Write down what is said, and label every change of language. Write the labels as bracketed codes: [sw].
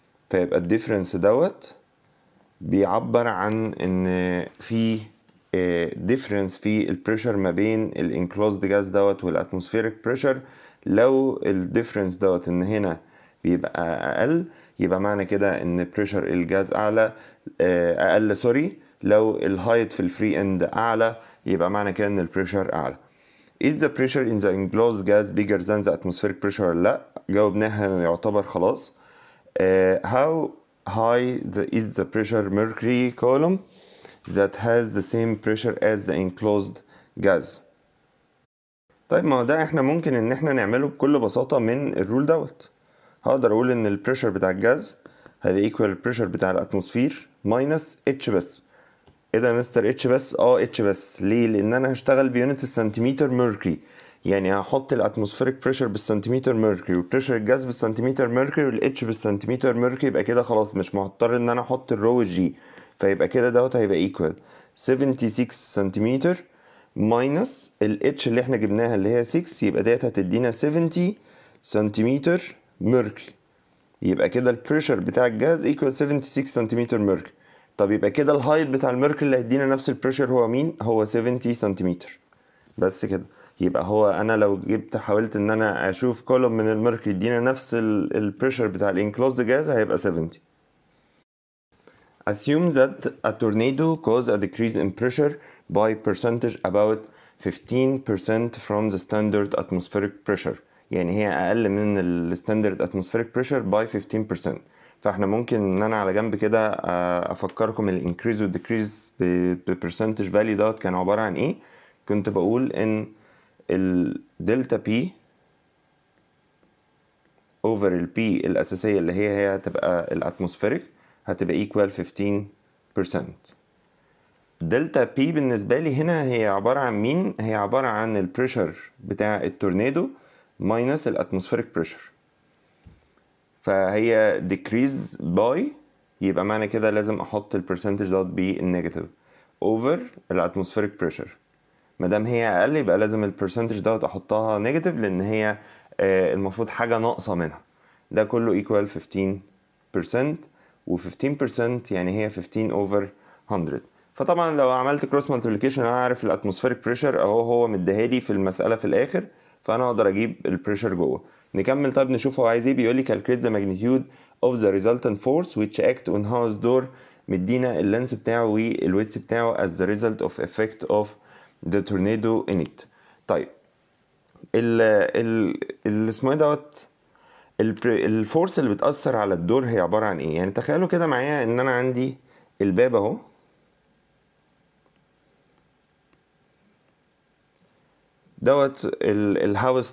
[ar] فيبقى الـ difference دوت بيعبر عن ان في difference في الـ pressure ما بين الـ enclosed gas دوت والـ atmospheric pressure. لو الـ difference دوت ان هنا بيبقى أقل، يبقى معنى كده ان pressure الغاز أعلى، أقل سوري، لو الـ height في الـ free end أعلى، يبقى معنى كده ان الـ pressure أعلى. [en] Is the pressure in the enclosed gas bigger than the atmospheric pressure؟ [ar] لا، جاوبناها يعتبر خلاص. [en] How high is the pressure mercury column that has the same pressure as the enclosed gas؟ [ar] طيب ما ده احنا ممكن ان احنا نعمله بكل بساطة من الرول دوت. هقدر اقول ان البريشر بتاع الجاز هذا equal البريشر بتاع الاتموسفير minus h بس. ايه ده مستر h بس؟ h بس ليه؟ لان انا هشتغل بيونت السنتيمتر ميركري، يعني هحط الاتموسفيريك بريشر بالسنتيمتر ميركري والبريشر الجاز بالسنتيمتر ميركري والh بالسنتيمتر ميركري، يبقى كده خلاص مش مضطر ان انا احط الرو جي. فيبقى كده دوت هيبقى equal 76 سنتيمتر minus ال h اللي احنا جبناها اللي هي 6، يبقى ديت هتدينا 70 سنتيمتر ميركري. يبقى كده البريشر بتاع الجاز equal 76 سنتيمتر ميركري. طب يبقى كده الهايت بتاع الميركري اللي هيدينا نفس البريشر هو مين؟ هو 70 سنتيمتر بس كده. يبقى هو انا لو جبت حاولت ان انا اشوف كولوم من الميركري يدينا نفس البريشر بتاع الانكلوزد جاز هيبقى 70. [en] Assume that a tornado caused a decrease in pressure by percentage about 15% from the standard atmospheric pressure. [ar] يعني هي أقل من الـ [en] standard atmospheric pressure by 15%. [ar] فاحنا ممكن إن أنا على جنب كده أفكركم الـ increase و decrease بـ percentage value دوت كان عبارة عن إيه. كنت بقول إن الـ delta P over الـ P الأساسية اللي هي هتبقى الـ atmospheric هتبقى equal 15%. دلتا بي بالنسبة لي هنا هي عبارة عن مين؟ هي عبارة عن الـ pressure بتاع التورنيدو minus الـ atmospheric pressure. فهي decrease by يبقى معنى كده لازم أحط الـ percentage dot B negative over الـ atmospheric pressure. مدام هي أقل يبقى لازم الـ percentage dot أحطها negative لأن هي المفروض حاجة ناقصة منها. ده كله equal 15%. و 15% يعني هي 15 over 100. فطبعا لو عملت cross multiplication انا عارف الاتموسفيريك بريشر اهو هو مدهالي في المساله في الاخر فانا اقدر اجيب البريشر جوه. نكمل طيب نشوف هو عايز ايه. بيقول لي [en] calculate the magnitude of the resultant force which act on house door. [ar] مدينا اللينث بتاعه والويدث بتاعه [en] as the result of effect of the tornado in it. [ar] طيب ال اسمه دوت الفورس اللي بتأثر على الدور هي عبارة عن ايه؟ يعني تخيلوا كده معايا ان انا عندي الباب اهو دوت الهاوس.